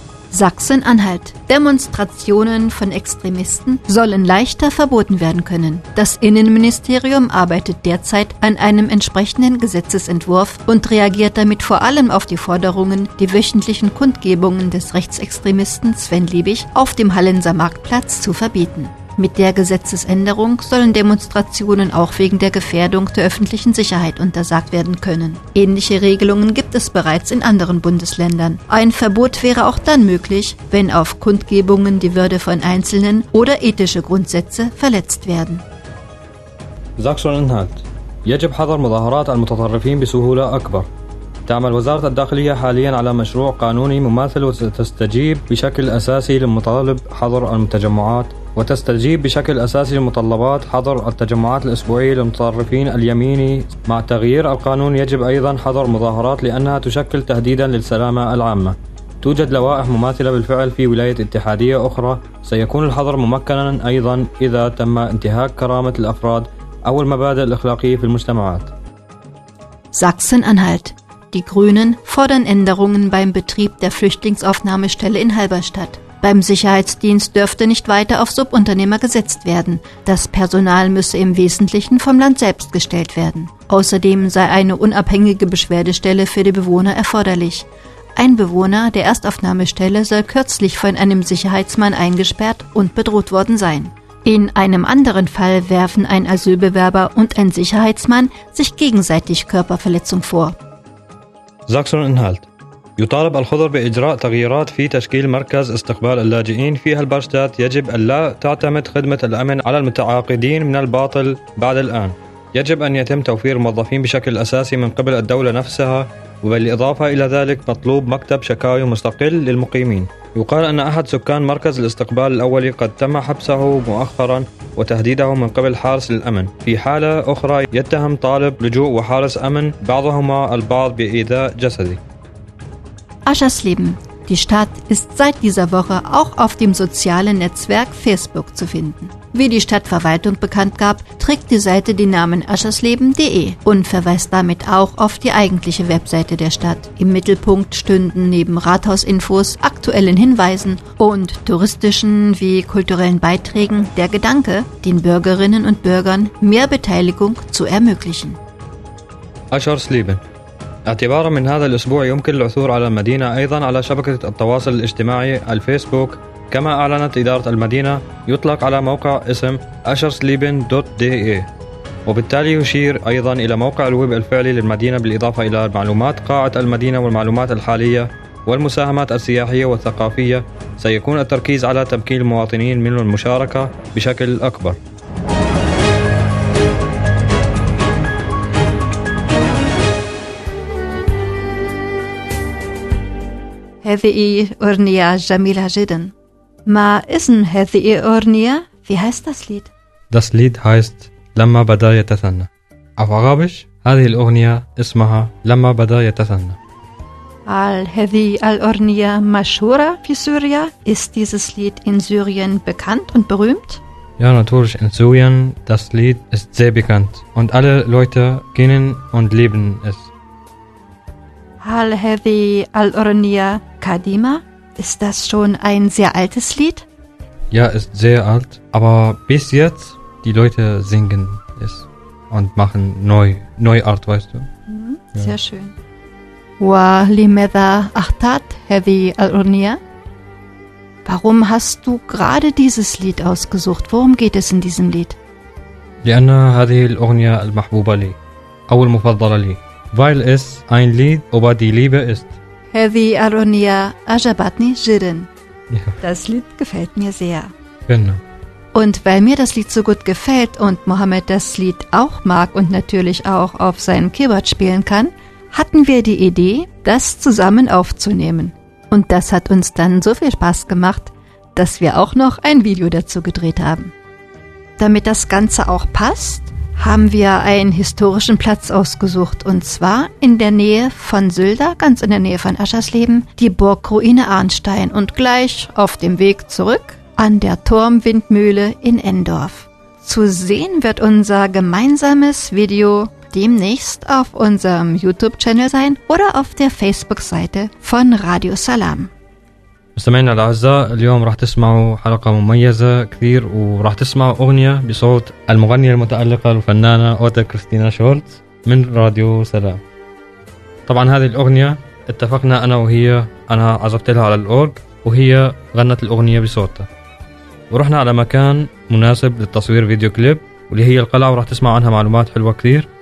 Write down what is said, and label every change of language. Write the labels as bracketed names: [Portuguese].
[German] Sachsen-Anhalt. Demonstrationen von Extremisten sollen leichter verboten werden können. Das Innenministerium arbeitet derzeit an einem entsprechenden Gesetzesentwurf und reagiert damit vor allem auf die Forderungen, die wöchentlichen Kundgebungen des Rechtsextremisten Sven Liebig auf dem Hallenser Marktplatz zu verbieten. Mit der Gesetzesänderung sollen Demonstrationen auch wegen der Gefährdung der öffentlichen Sicherheit untersagt werden können. Ähnliche Regelungen gibt es bereits in anderen Bundesländern. Ein Verbot wäre auch dann möglich, wenn auf Kundgebungen die Würde von Einzelnen oder ethische Grundsätze verletzt werden. Sachsen-Anhalt. [Arabic] يجب حظر مظاهرات المتطرفين بسهولة أكبر. تعمل وزارة الداخلية حاليا على مشروع قانوني مماثل وستستجيب بشكل أساسي لمطالب حظر المتجمعات. وتستجيب بشكل أساسي لمتطلبات حظر التجمعات الأسبوعية للمتطرفين اليميني. مع تغيير القانون يجب أيضا حظر مظاهرات لأنها تشكل تهديدا للسلامة العامة. توجد لوائح مماثلة بالفعل في ولاية اتحادية أخرى. سيكون الحظر ممكنا أيضا إذا تم انتهاك كرامة الأفراد أو المبادئ الأخلاقية في المجتمعات. [German] Sachsen-Anhalt. Die Grünen fordern Änderungen beim Betrieb der Flüchtlingsaufnahmestelle in Halberstadt. Beim Sicherheitsdienst dürfte nicht weiter auf Subunternehmer gesetzt werden. Das Personal müsse im Wesentlichen vom Land selbst gestellt werden. Außerdem sei eine unabhängige Beschwerdestelle für die Bewohner erforderlich. Ein Bewohner der Erstaufnahmestelle soll kürzlich von einem Sicherheitsmann eingesperrt und bedroht worden sein. In einem anderen Fall werfen ein Asylbewerber und ein Sicherheitsmann sich gegenseitig Körperverletzung vor. Sachsen-Anhalt. [Arabic] يطالب الخضر بإجراء تغييرات في تشكيل مركز استقبال اللاجئين في هالبرشتات. يجب ألا تعتمد خدمة الأمن على المتعاقدين من الباطل بعد الآن. يجب أن يتم توفير موظفين بشكل أساسي من قبل الدولة نفسها، وبالإضافة إلى ذلك مطلوب مكتب شكاوي مستقل للمقيمين. يقال أن أحد سكان مركز الاستقبال الأولي قد تم حبسه مؤخرا وتهديده من قبل حارس الأمن. في حالة أخرى يتهم طالب لجوء وحارس أمن بعضهما البعض بإيذاء جسدي. [German] Aschersleben. Die Stadt ist seit dieser Woche auch auf dem sozialen Netzwerk Facebook zu finden. Wie die Stadtverwaltung bekannt gab, trägt die Seite den Namen aschersleben.de und verweist damit auch auf die eigentliche Webseite der Stadt. Im Mittelpunkt stünden neben Rathausinfos, aktuellen Hinweisen und touristischen wie kulturellen Beiträgen der Gedanke, den Bürgerinnen und Bürgern mehr Beteiligung zu ermöglichen. Aschersleben. [Arabic] اعتبارا من هذا الأسبوع يمكن العثور على المدينة أيضا على شبكة التواصل الاجتماعي الفيسبوك. كما أعلنت إدارة المدينة يطلق على موقع اسم aschersleben.de، وبالتالي يشير أيضا إلى موقع الويب الفعلي للمدينة، بالإضافة إلى معلومات قاعة المدينة والمعلومات الحالية والمساهمات السياحية والثقافية. سيكون التركيز على تمكين المواطنين من المشاركة بشكل أكبر. هذه أغنية جميلة جدا. ما اسم هذه أغنية؟ في [German] heißt das Lied? Das Lied heißt لما بدا يتثنى. Auf Arabisch [Arabic] هذه الأغنية اسمها [German] لما بدا يتثنى. [Arabic] هل هذه الأغنية مشهورة في سوريا؟ [German] Ist dieses Lied in Syrien bekannt und berühmt? Ja, natürlich. In Syrien das Lied ist sehr bekannt und alle Leute kennen und lieben es. [Arabic] هل هذه الأغنية قديمة؟ [German] Ist das schon ein sehr altes Lied? Ja, ist sehr alt, aber bis jetzt die Leute singen es und machen neue Art, weißt du? Sehr schön. [Arabic] ولماذا اخترت هذه الأغنية؟ [German] Warum hast du gerade dieses Lied ausgesucht? Worum geht es in diesem Lied? [Arabic] لأن هذه الأغنية المحبوبة لي أو المفضلة لي. [German] Weil es ein Lied über die Liebe ist. [Arabic] هذه الأغنية أعجبتني جدا. [German] Das Lied gefällt mir sehr. Genau. Und weil mir das Lied so gut gefällt und Mohammed das Lied auch mag und natürlich auch auf seinem Keyboard spielen kann, hatten wir die Idee, das zusammen aufzunehmen. Und das hat uns dann so viel Spaß gemacht, dass wir auch noch ein Video dazu gedreht haben. Damit das Ganze auch passt, haben wir einen historischen Platz ausgesucht, und zwar in der Nähe von Sylder, ganz in der Nähe von Aschersleben, die Burgruine Arnstein und gleich auf dem Weg zurück an der Turmwindmühle in Endorf. Zu sehen wird unser gemeinsames Video demnächst auf unserem YouTube-Channel sein oder auf der Facebook-Seite von Radio Salam. [Arabic] مستمعينا الأعزاء، اليوم راح تسمعوا حلقة مميزة كثير، وراح تسمعوا أغنية بصوت المغنية المتألقة الفنانة أوتا كريستينا شولتز من راديو سلام. طبعا هذه الأغنية اتفقنا أنا وهي، أنا عزفت لها على الأورج وهي غنت الأغنية بصوتها، ورحنا على مكان مناسب للتصوير فيديو كليب واللي هي القلعة، وراح تسمع عنها معلومات حلوة كثير.